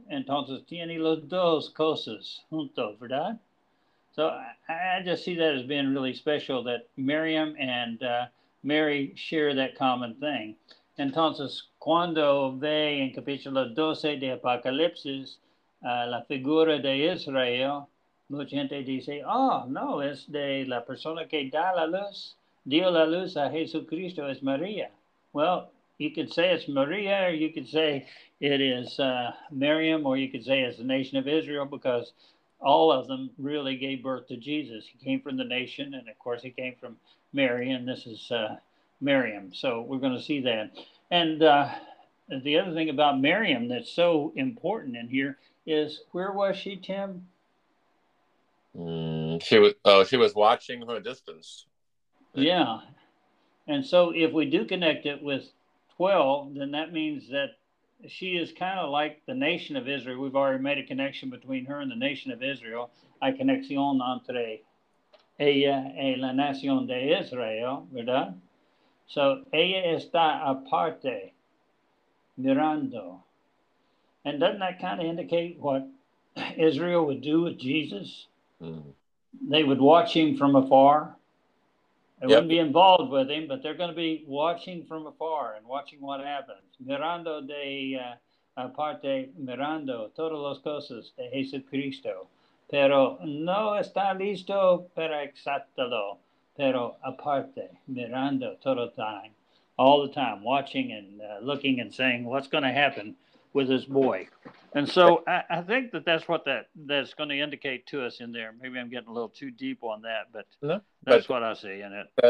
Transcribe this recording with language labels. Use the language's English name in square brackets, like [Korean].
[Spanish] Entonces tiene los dos cosas juntos, ¿verdad? [English] So I just see that as being really special that Miriam and Mary share that common thing. [Spanish] Entonces, cuando ve en capítulo 12 de Apocalipsis la figura de Israel, mucha gente dice, oh, no, es de la persona que da la luz, dio la luz a Jesucristo, es María. [English] Well, you could say it's María, or you could say it is Miriam, or you could say it's the nation of Israel, because all of them really gave birth to Jesus. He came from the nation, and of course, he came from Mary, and this is... Miriam. So we're going to see that. And the other thing about Miriam that's so important in here is, where was she, Tim? She was watching from a distance. Yeah. And so if we do connect it with 12, then that means that she is kind of like the nation of Israel. We've already made a connection between her and the nation of Israel. [Spanish] Hay conexión entre ella y la nación de Israel, ¿verdad? So, ella está aparte, mirando. [English] And doesn't that kind of indicate what Israel would do with Jesus? Mm-hmm. They would watch him from afar. They wouldn't be involved with him, but they're going to be watching from afar and watching what happens. [Spanish] Mirando de aparte, mirando todas las cosas de Jesucristo. Pero no está listo para exaltarlo. Pero aparte, mirando todo [English] time, all the time, watching and looking and saying, what's going to happen with this boy? And so I think that's what that's going to indicate to us in there. Maybe I'm getting a little too deep on that, but that's what I see in it.